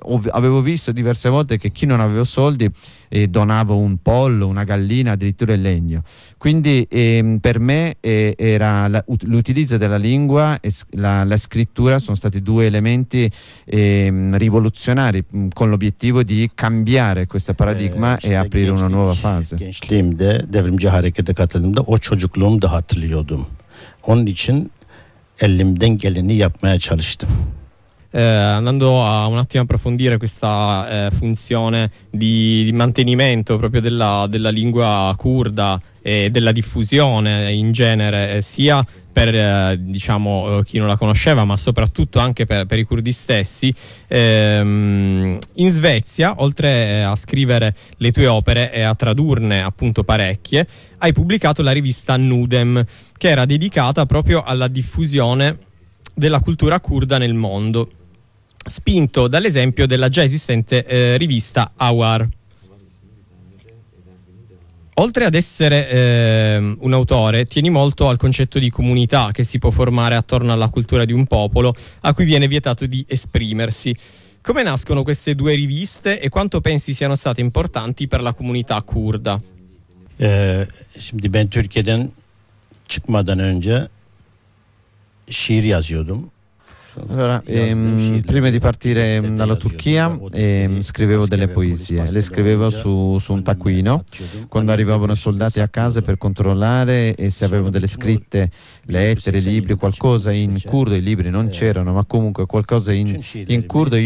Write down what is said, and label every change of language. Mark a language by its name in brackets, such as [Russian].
[Italian] Avevo visto diverse volte che chi non aveva soldi donava un pollo, una gallina, addirittura il legno. Quindi per me era l'utilizzo della lingua e la scrittura sono stati due elementi rivoluzionari con l'obiettivo di cambiare questo paradigma e aprire una nuova fase. [Turkish] Gençliğimde devrimci harekete katıldığımda o çocukluğumu da hatırlıyordum. Onun için elimden geleni yapmaya çalıştım. [Italian] Andando a un attimo a approfondire questa funzione di mantenimento proprio della lingua curda e della diffusione in genere, sia per diciamo chi non la conosceva, ma soprattutto anche per i curdi stessi. In Svezia, oltre a scrivere le tue opere e a tradurne appunto parecchie, hai pubblicato la rivista Nudem, che era dedicata proprio alla diffusione della cultura curda nel mondo, spinto dall'esempio della già esistente rivista Awar. Oltre ad essere un autore, tieni molto al concetto di comunità che si può formare attorno alla cultura di un popolo a cui viene vietato di esprimersi. Come nascono queste due riviste e quanto pensi siano state importanti per la comunità curda? [Turkish] Şimdi ben Türkiye'den çıkmadan önce şiir yazıyordum. [Italian] Allora, prima di partire dalla Turchia scrivevo delle poesie, le scrivevo su un taccuino quando arrivavano i soldati a casa per controllare e se avevano delle scritte, lettere, libri, qualcosa in curdo. I libri non c'erano, ma comunque qualcosa in curdo.